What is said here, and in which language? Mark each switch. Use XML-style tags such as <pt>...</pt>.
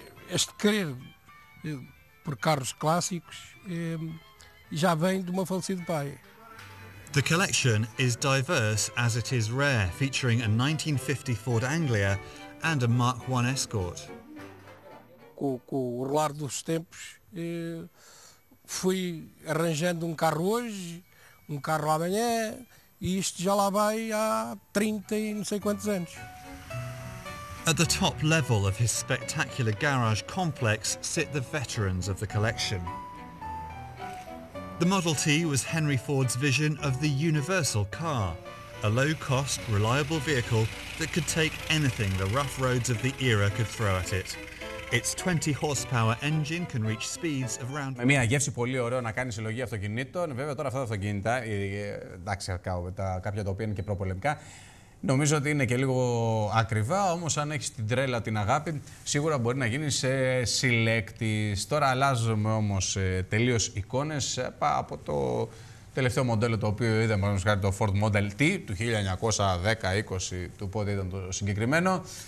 <pt>Este querer por carros clássicos já vem de uma falecida pai.</pt> <en>The collection is diverse as it is rare, featuring a 1950 Ford Anglia and a Mark 1 Escort.</en> <pt>Com o rolar dos tempos, fui arranjando um carro hoje, um carro amanhã, e isto já lá vai há 30 e não sei quantos anos.</pt> <en>At the top level of his spectacular garage complex sit the veterans of the collection. The Model T was Henry Ford's vision of the universal car, a low-cost, reliable vehicle that could take anything the rough roads of the era could throw at it. Its 20 horsepower engine can reach speeds of around...</en> <el>Μια γεύση πολύ ωραία να κάνει συλλογή αυτοκινήτων. Βέβαια τώρα αυτά τα αυτοκίνητα, εντάξει, κάποια τα οποία είναι και προπολεμικά, νομίζω ότι είναι και λίγο ακριβά, όμως αν έχεις την τρέλα, την αγάπη, σίγουρα μπορεί να γίνεις συλλέκτης. Τώρα αλλάζουμε όμως τελείως εικόνες από το τελευταίο μοντέλο το οποίο είδαμε, παραδείγματος χάρη το Ford Model T του 1910-20, του πότε ήταν το συγκεκριμένο.</el>